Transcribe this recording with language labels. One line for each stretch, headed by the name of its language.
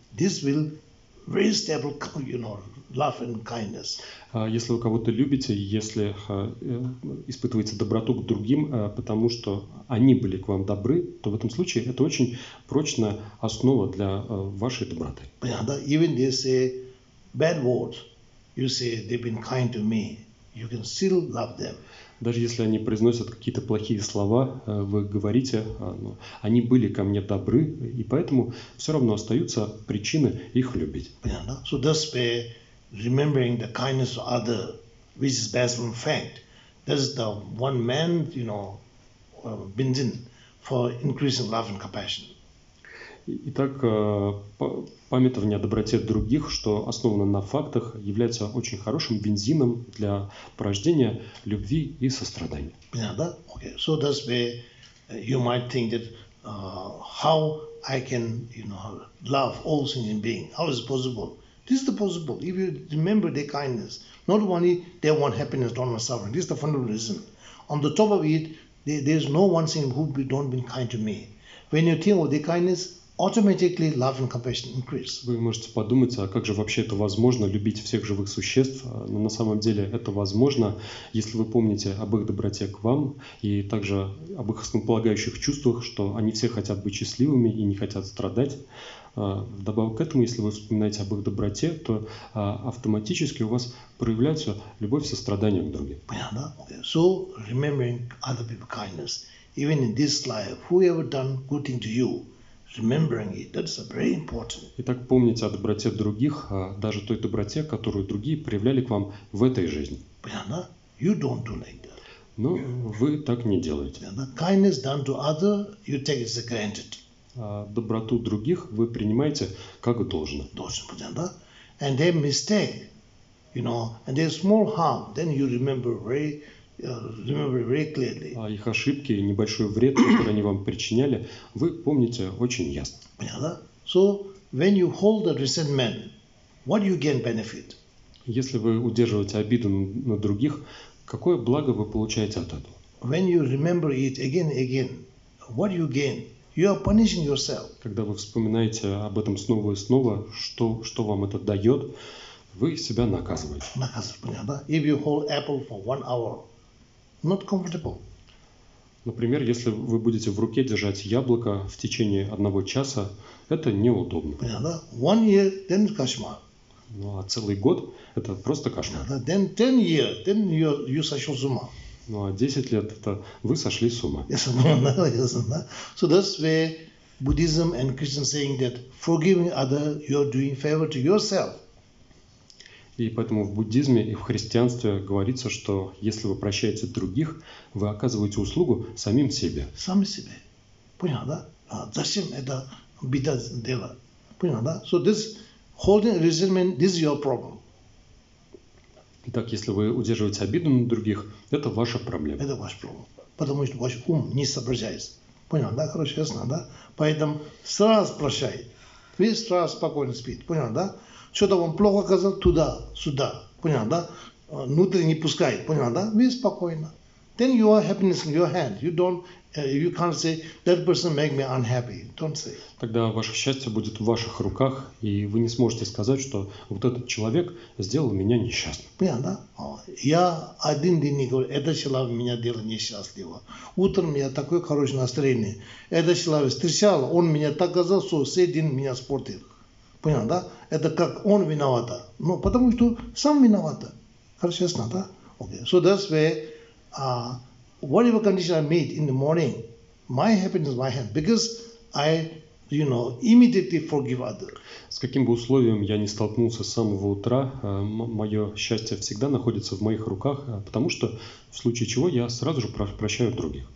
English: This will very stable, love and kindness.
Russian: Если вы кого-то любите, если испытываете доброту к другим, потому что они были к вам добры, то в этом случае это очень прочная основа для вашей доброты.
English: Even they say bad words, you say they've been kind to me, you can still love them.
Russian: Даже если они произносят какие-то плохие слова, вы говорите, они были ко мне добры, и поэтому все равно остаются причины их любить. Понятно?
English: So that's where remembering the kindness of other, which is based on fact. That is the one man, bindin for increasing love and compassion.
Russian: Итак, памятование о доброте других, что основано на фактах, является очень хорошим бензином для порождения любви и сострадания. Понятно?
English: Okay. So that's where you might think that how I can, love all sentient beings. How is it possible? This is the possible. If you remember their kindness, not only they want happiness, don't want suffering. This is the fundamental reason. On the top of it, there is no one sentient who don't been kind to me. When you think of their kindness, automatically love and compassion increase.
Russian: Вы можете подумать, а как же вообще это возможно, любить всех живых существ? Но на самом деле это возможно, если вы помните об их доброте к вам и также об их основополагающих чувствах, что они все хотят быть счастливыми и не хотят страдать. Вдобавок к этому, если вы вспоминаете об их доброте, то автоматически у вас проявляется любовь, сострадание к другим. Понятно?
English: So, remembering other people's kindness, even in this life, whoever done good thing to you, remembering it, that's very important.
Russian: Итак, помните о доброте других, даже той доброте, которую другие проявляли к вам в этой жизни. Понятно?
English: You don't do like that.
Russian: Но вы так не делаете.
English: Kindness done to other, you take it as granted.
Russian: Доброту других вы принимаете как должно. Должно, понятно?
English: And they mistake, and they small harm, then you remember very clearly.
Russian: А их ошибки и небольшой вред, который они вам причиняли, вы помните очень ясно. Понятно?
English: So, when you hold the resentment, what do you gain benefit?
Russian: Если вы удерживаете обиду на других, какое благо вы получаете от этого?
English: When you remember it again and again, what do you gain? You are punishing yourself.
Russian: Когда вы вспоминаете об этом снова и снова, что вам это дает, вы себя наказываете. Наказываете, понятно?
English: If you hold apple for one hour, not comfortable.
Russian: Например, если вы будете в руке держать яблоко в течение одного часа, это неудобно. Понятно?
English: One year, then кошмар.
Russian: Ну, а целый год – это просто кошмар. Понятно?
English: Then 10 years, then you
Russian: сошел с ума. Ну, а 10 лет – это вы сошли с ума. Ясно.
English: So that's where Buddhism and Christian saying that forgiving other, you're doing favor to yourself.
Russian: И поэтому в буддизме и в христианстве говорится, что если вы прощаете других, вы оказываете услугу самим себе. Самим себе. Понял, да? А зачем это беда дело? Понял, да? So this holding resentment, this is your problem. Итак, если вы удерживаете обиду на других, это ваша проблема. Это ваша проблема. Потому что ваш ум не соображается. Понял, да? Хорошо, ясно, да? Поэтому сразу прощай. Вы сразу спокойно спит. Понял, да? Что-то вам плохо оказалось, туда, сюда, понял, да? Внутрь не пускает, понял, да? Вы спокойно.
English: Then you are happiness in your hand. You don't, you can't say, that person make me unhappy. Don't say.
Russian: Тогда ваше счастье будет в ваших руках, и вы не сможете сказать, что вот этот человек сделал меня несчастным. Понял, да? Я один день не говорю, этот человек меня делал несчастливым. Утром я такое хорошее настроение. Этот человек встречал, он меня так сказал, что все день меня испортил. Понял, да? Это как он виноват. Ну, потому что сам виноват. Хорошо, ясно, да?
English: Okay. So that's where, whatever condition I meet in the morning, my happiness is my hand. Because I, you know, immediately forgive other.
Russian: С каким бы условием я ни столкнулся с самого утра, мое счастье всегда находится в моих руках, потому что в случае чего я сразу же прощаю других.